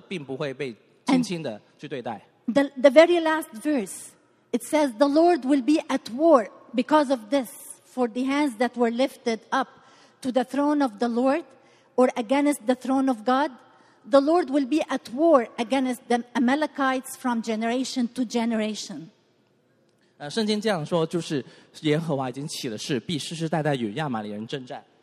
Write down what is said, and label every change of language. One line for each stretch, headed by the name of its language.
Chinese: 我的祷告就是说，这些仇敌所做的，并不会被轻轻的去对待。
English: The very last verse, it says, "The Lord will be at war because of this, for the hands that were lifted up to the throne of the Lord, or against the throne of God." The Lord will be at war against the Amalekites from generation to generation.
Chinese: 圣经这样说，就是耶和华已经起了誓，必世世代代与亚玛力人征战。